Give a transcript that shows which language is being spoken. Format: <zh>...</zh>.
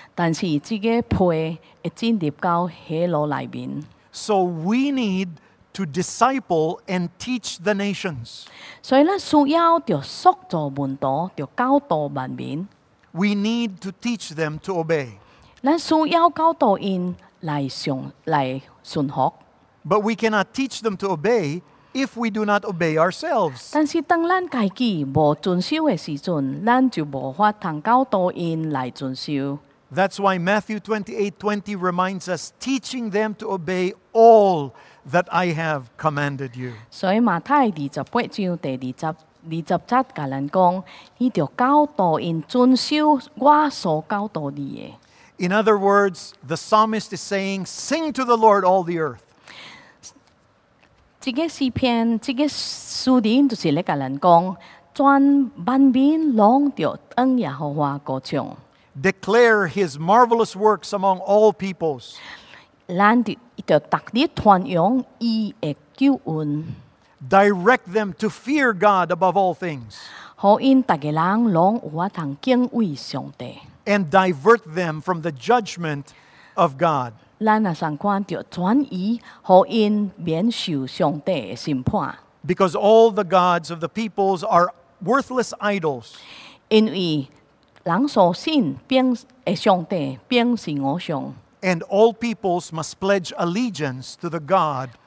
<nan>但是这个皮会进入到火炉里面。</nan> <en>So we need to disciple and teach the nations.</en> <nan>所以咱需要就塑造门徒，就教导万民。</nan> <en>We need to teach them to obey.</en> <nan>咱需要教导因来顺服。</nan> <en>But we cannot teach them to obey if we do not obey ourselves.</en> <nan>但是当咱家己无遵守的时阵，咱就无法通教导因来遵守。</nan> <en>That's why Matthew 28:20 reminds us, teaching them to obey all that I have commanded you.</en> <nan>所以马太28:20甲咱讲，你着教导因遵守我所教导你的。</nan> <en>In other words, the psalmist is saying, "Sing to the Lord, all the earth."</en> <nan>这个诗篇，这个诗人就是咧甲咱讲，全万民拢着恩耶和华歌唱。</nan> <en>Declare His marvelous works among all peoples.</en> <nan>咱着特地传扬伊的救恩。</nan> <en>Direct them to fear God above all things.</en> <nan>好因大家人拢有法通敬畏上帝。</nan> <en>And divert them from the judgment of God. Because all the gods of the peoples are worthless idols. And all peoples must pledge allegiance to the God</en>